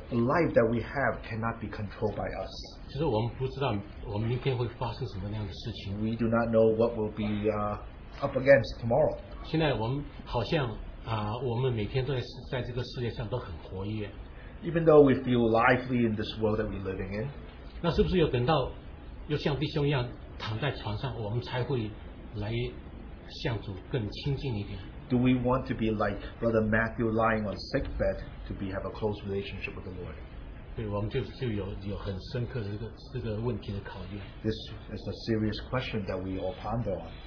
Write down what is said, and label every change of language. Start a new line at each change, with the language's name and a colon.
English: life that we have cannot be controlled by us.
Chinese: 就是我们不知道我们明天会发生什么样的事情。We
English: do not know what will be up against tomorrow.
Chinese: 现在我们好像我们每天都在这个世界上都很活跃。
English: Even though we feel lively in this world that we're living in,
Chinese: 那是不是有等到又像弟兄一样躺在床上，我们才会来向主更亲近一点？
English: Do we want to be like Brother Matthew lying on sick bed to be have a close relationship with the Lord?
Chinese: 对，我们就有很深刻的这个问题的考虑。
English: This is a serious question that we all ponder on.